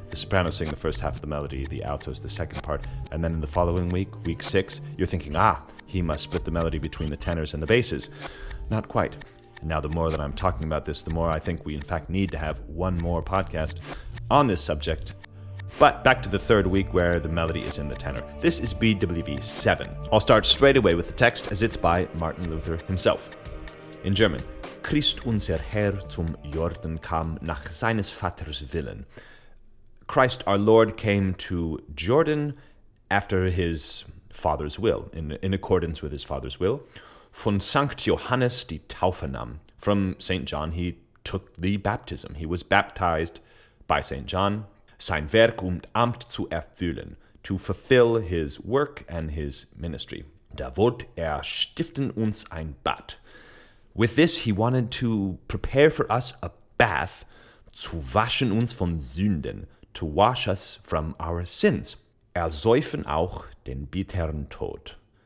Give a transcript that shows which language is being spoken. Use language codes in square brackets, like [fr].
[en] The sopranos sing the first half of the melody, the altos the second part. And then in the following week, week six, you're thinking, ah, he must split the melody between the tenors and the basses. Not quite. And now the more that I'm talking about this, the more I think we in fact need to have one more podcast on this subject. But back to the third week where the melody is in the tenor. This is BWV 7. I'll start straight away with the text as it's by Martin Luther himself. In German, [de] Christ unser Herr zum Jordan kam nach seines Vaters Willen. [en] Christ our Lord came to Jordan after his father's will, in accordance with his father's will. [de] Von Sankt Johannes die Taufe nahm. [en] From St. John he took the baptism. He was baptized by St. John. [de] Sein Werk und Amt zu erfüllen, [en] to fulfill his work and his ministry. [de] Da wollt er stiften uns ein Bad. [en] With this, he wanted to prepare for us a bath, [de] zu waschen uns von Sünden, [en] to wash us from our sins. [de] Ersäufen auch den bitteren Tod.